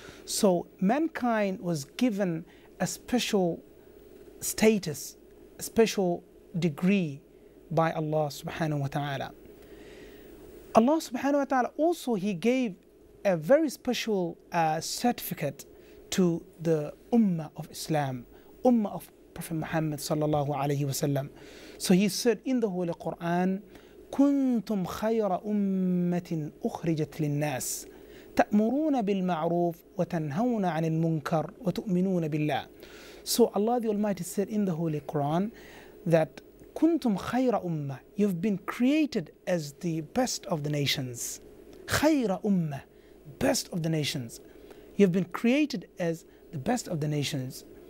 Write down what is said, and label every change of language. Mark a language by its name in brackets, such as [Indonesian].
[English] So mankind was given a special status, a special degree by Allah subhanahu wa ta'ala. Allah subhanahu wa ta'ala also He gave a very special certificate to the Ummah of Islam, Ummah of Prophet Muhammad sallallahu alayhi wa sallam. So he said in the Holy Quran, [Arabic] كنتم خير أمة أخرجت للناس تأمرون بالمعروف وتنهون عن المنكر وتؤمنون بالله. [English] So Allah the Almighty said in the Holy Quran that [Arabic] كنتم خير أمة, [English] you've been created as the best of the nations. [Arabic] خير أمة, [English] best of the nations. You've been created as the best of the nations.